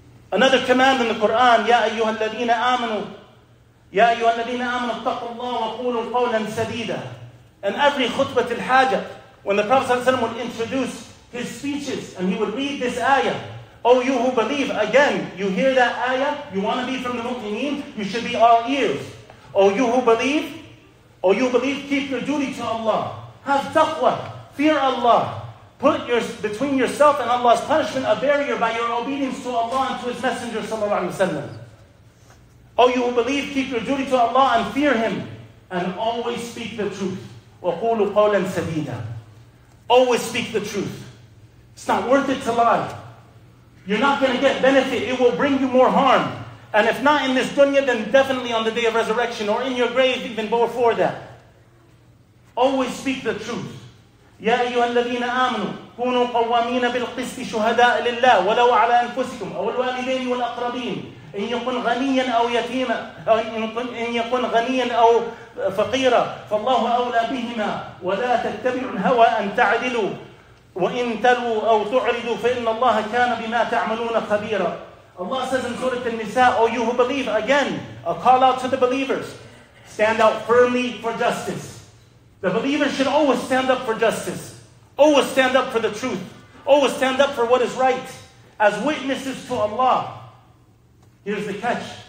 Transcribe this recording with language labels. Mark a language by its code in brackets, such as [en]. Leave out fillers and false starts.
[en] Another command in the Quran, [ar] يَا أَيُّهَا الَّذِينَ آمَنُوا يَا أَيُّهَا الَّذِينَ آمَنُوا اتَّقُوا اللَّهُ وَقُولُوا قَوْلًا سَدِيدًا. [en] And every khutbat al-hajj, when the Prophet ﷺ would introduce his speeches, and he would read this ayah. Oh, you who believe, again, you hear that ayah, you want to be from the mu'mineen, you should be all ears. Oh, you who believe, keep your duty to Allah. Have taqwa, fear Allah. Put between yourself and Allah's punishment a barrier by your obedience to Allah and to His Messenger sallallahu alaihi wasallam. Oh, you who believe, keep your duty to Allah and fear Him, and always speak the truth. [ar] وَقُولُ قَوْلًا سَدِيدًا. [en] Always speak the truth. It's not worth it to lie. You're not going to get benefit. It will bring you more harm. And if not in this dunya, then definitely on the day of resurrection or in your grave even before that. Always speak the truth. [ar] يَا أَيُّهَا الَّذِينَ آمَنُوا كُونُوا قَوَّامِينَ بِالْقِسْطِ شُهَدَاءَ لِلَّهِ وَلَوْ عَلَىٰ أَنفُسِكُمْ أَوْ الْوَالِدَيْنِ وَالْأَقْرَبِينَ إن يكن غنيا أو يتيما إن يكن غنيا أو فقيرا فالله أولى بهما ولا تتبعوا الهوى أن تعدلوا وإن تلووا أو تعرضوا فإن الله كان بما تعملون خبيرا. [en] Allah says in Surah An-Nisa, O you who believe, again, a call out to the believers. Stand out firmly for justice. The believers should always stand up for justice. Always stand up for the truth. Always stand up for what is right. As witnesses to Allah. Here's the catch.